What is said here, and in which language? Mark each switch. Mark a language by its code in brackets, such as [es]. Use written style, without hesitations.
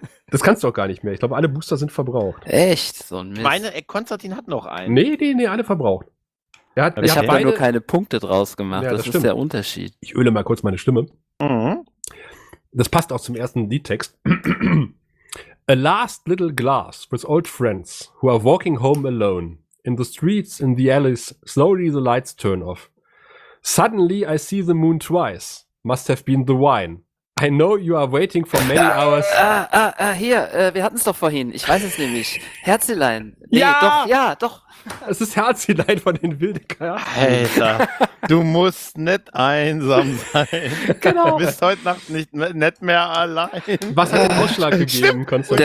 [de] Das kannst du auch gar nicht mehr. Ich glaube, alle Booster sind verbraucht. Echt? So ein Mist. Konstantin hat noch einen. Nee, alle verbraucht. Ich habe nur keine Punkte draus gemacht. Ja, das ist der Unterschied. Ich öle mal kurz meine Stimme. Mhm. Das passt auch zum ersten Liedtext. [en] A last little glass with old friends who are walking home alone. In the streets, in the alleys, slowly the lights turn off. Suddenly I see the moon twice. Must have been the wine. I know you are waiting for many hours. [de] Wir hatten es doch vorhin. Ich weiß es nämlich. Herzelein. Nee, ja, doch. Es ist Herzelein von den Wildecker. Alter, du musst nicht einsam sein. Genau. Du bist heute Nacht nicht mehr allein. Was hat den Ausschlag gegeben, Konstantin?